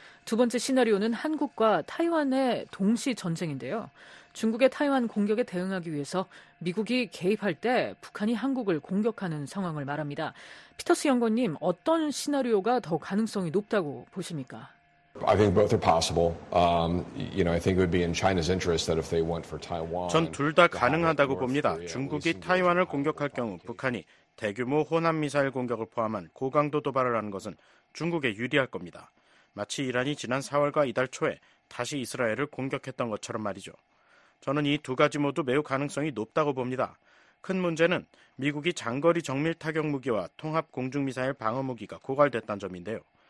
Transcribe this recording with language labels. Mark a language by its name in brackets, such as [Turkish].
[Korean] 두 번째 시나리오는 한국과 타이완의 동시 전쟁인데요. 중국의 타이완 공격에 대응하기 위해서 미국이 개입할 때 북한이 한국을 공격하는 상황을 말합니다. 피터스 연구원님, 어떤 시나리오가 더 가능성이 높다고 보십니까? [English] I think both are possible. You know, I think it would be in China's interest that if they went for Taiwan. [Korean] 전 둘 다 가능하다고 봅니다. 중국이 타이완을 공격할 경우 북한이 대규모 호남 미사일 공격을 포함한 고강도 도발을 하는 것은 중국에 유리할 겁니다. 마치 이란이 지난 4월과 이달 초에 다시 이스라엘을 공격했던 것처럼 말이죠. 저는 이 두 가지 모두 매우 가능성이 높다고 봅니다. 큰 문제는 미국이 장거리 정밀 타격 무기와 통합 공중 미사일 방어 무기가 고갈됐다는 점인데요.